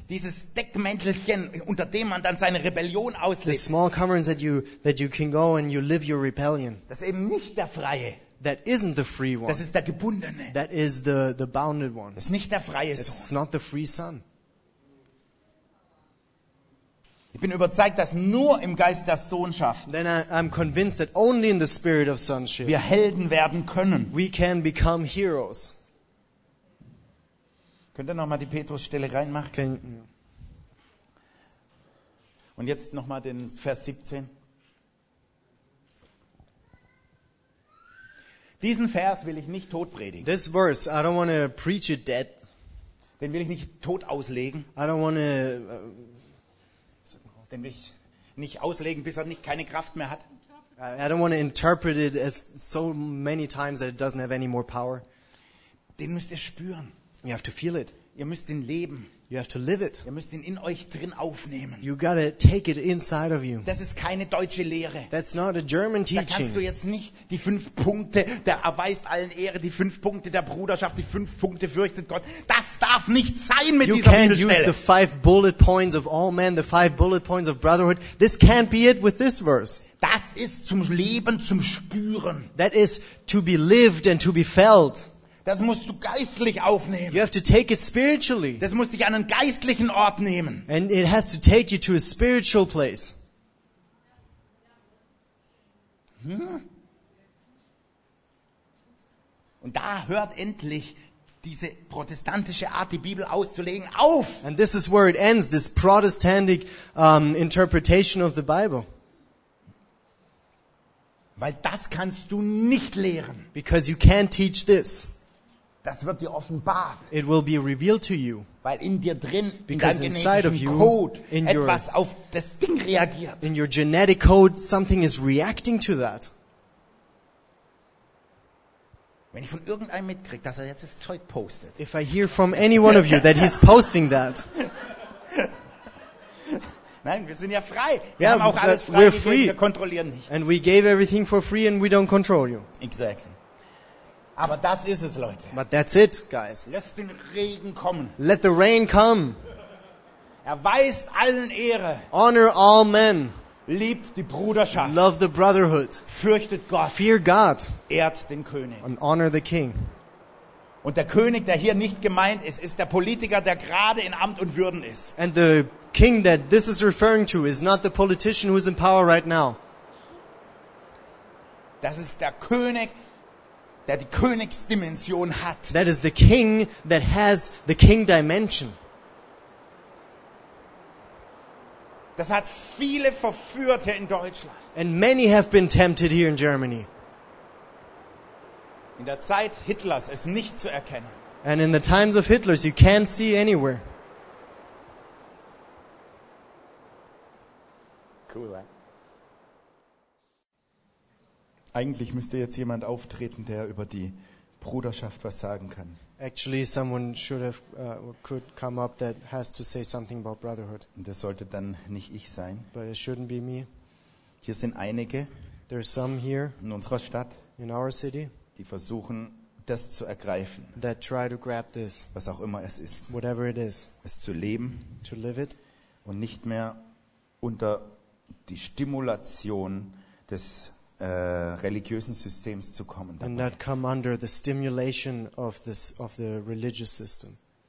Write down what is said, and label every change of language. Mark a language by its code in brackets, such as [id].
[de] Dieses Deckmäntelchen, unter dem man dann seine Rebellion auslebt. [en] The small coverings that you can go and you live your rebellion. [de] Das ist eben nicht der Freie. [en] That isn't the free one. [de] Das ist der Gebundene. [en] That is the bounded one. [de] Das ist nicht der freie Sohn. [en] It's not the free son. [de] Ich bin überzeugt, dass nur im Geist der Sohnschaft. [en] Then I'm convinced that only in the spirit of sonship. [de] Wir Helden werden können. [en] We can become heroes. [de] Könnt ihr nochmal die Petrusstelle reinmachen? Und jetzt nochmal den Vers 17. Diesen Vers will ich nicht totpredigen. [en] This verse, I don't want to preach it dead. [de] Den will ich nicht tot auslegen. [en] I don't want to. [de] Nämlich nicht auslegen, bis er nicht keine Kraft mehr hat. [en] I don't want to interpret it as so many times that it doesn't have any more power. [de] Den müsst ihr spüren. [en] You have to feel it. [de] Ihr müsst ihn leben. [en] You have to live it. [de] Ihr müsst ihn in euch drin aufnehmen. [en] You gotta take it inside of you. [de] Das ist keine deutsche Lehre. [en] That's not a German teaching. [de] Da kannst du jetzt nicht die 5 Punkte, der erweist allen Ehre, die 5 Punkte der Bruderschaft, die 5 Punkte fürchtet Gott. Das darf nicht sein mit [en] you [de] dieser Bibelstelle. [en] You can't use the 5 bullet points of all men, the 5 bullet points of brotherhood. This can't be it with this verse. [de] Das ist zum Leben, zum Spüren. [en] That is to be lived and to be felt. [de] Das musst du geistlich aufnehmen. [en] You have to take it spiritually. [de] Das muss dich an einen geistlichen Ort nehmen. [en] And it has to take you to a spiritual place. [de] Und da hört endlich diese protestantische Art, die Bibel auszulegen, auf. [en] And this is where it ends, this protestantic interpretation of the Bible. [de] Weil das kannst du nicht lehren. [en] Because you can't teach this. [de] Das wird dir offenbart. [en] It will be revealed to you. [de] Weil in dir drin, [en] because [de] in deinem genetischen [en] you, [de] Code, in etwas [en] your, [de] auf das Ding reagiert. [en] In your genetic code, something is reacting to that. [de] Wenn ich von irgendeinem mitkriege, dass er jetzt das Zeug postet. [en] If I hear from any one of you that he's posting that. [de] Nein, wir sind ja frei. Wir haben auch alles frei gegeben, [en] free. [de] Wir kontrollieren nicht. [en] And we gave everything for free and we don't control you. Exactly. [de] Aber das ist es, Leute. [en] But that's it, guys. [de] Lass den Regen kommen. [en] Let the rain come. [de] Erweist allen Ehre. [en] Honor all men. [de] Liebt die Bruderschaft. [en] Love the brotherhood. [de] Fürchtet Gott. [en] Fear God. [de] Ehrt den König. [en] And honor the king. [de] Und der König, der hier nicht gemeint ist, ist der Politiker, der gerade in Amt und Würden ist. [en] And the king that this is referring to is not the politician who is in power right now. [de] Das ist der König, der die Königsdimension hat. [en] That is the king that has the king dimension. [de] Das hat viele verführt hier in Deutschland. [en] And many have been tempted here in Germany. [de] In der Zeit Hitlers ist nicht zu erkennen. [en] And in the times of Hitlers you can't see anywhere. Cool, eh? [de] Eigentlich müsste jetzt jemand auftreten, der über die Bruderschaft was sagen kann. [en] Actually, someone should have could come up that has to say something about brotherhood. [de] Das sollte dann nicht ich sein. [en] But it shouldn't be me. [de] Hier sind einige. [en] There are some here [de] in unserer Stadt, [en] in our city, [de] die versuchen, das zu ergreifen. [en] That try to grab this, [de] was auch immer es ist. [en] Whatever it is. [de] Es zu leben. [en] To live it. [de] Und nicht mehr unter die Stimulation des religiösen Systems zu kommen. [en] And not come under the stimulation of the religious system.